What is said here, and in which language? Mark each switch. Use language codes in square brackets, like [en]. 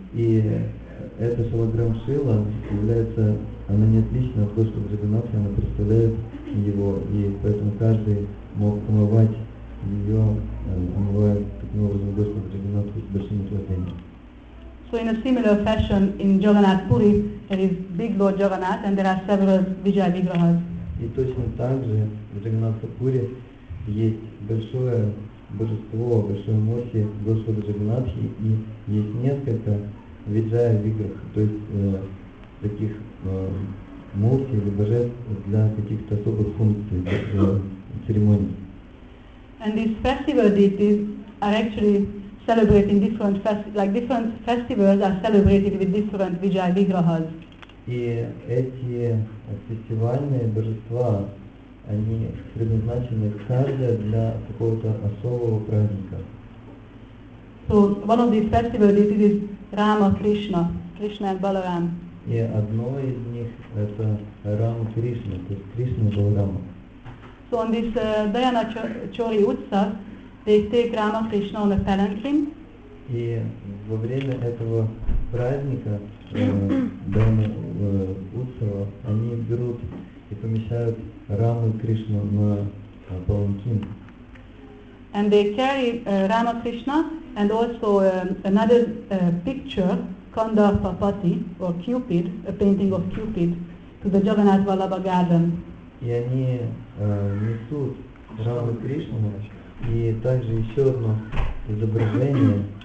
[ru] И эта Шалаграм Шила является. Она не отлична от Господа Джагнатхи, она представляет его, и поэтому каждый мог омывать ее, омывая таким образом Господа Джагнатхи с большим наслаждением. [en] So in a similar fashion, in Jagannath Puri, there is big Lord Jagannath, and there are several Vijaya Vigrahas. [ru] И точно так же в Джаганнатхапуре есть большое божество, большое мощи Господа Джаганнатхи и есть несколько Виджая Виграх, то есть таких мурти или божеств для каких-то особых функций, церемоний. [en] And these festival deities are actually celebrating different like different festivals are celebrated with different Vijaya Vigrahas. [ru] И эти фестивальные божества, они предназначены каждое для какого-то особого праздника. [en] So one of these festival deities is Rama Krishna, Krishna and Balaram. [ru] И одно из них это Рама Кришна, то есть Кришна и Баларама. [en] So on this Dayana Chori Utsav, they take Rama Krishna on a palanquin. [ru] И во время этого праздника Дайана Утсава они берут и помещают Раму и Кришну на паланкин. [en] And they carry Rama Krishna and also another picture, Kandarpapati or Cupid, a painting of Cupid, to the Jagannath Vallabha Garden. [ru] И они несут Раму и Кришну и также еще одно изображение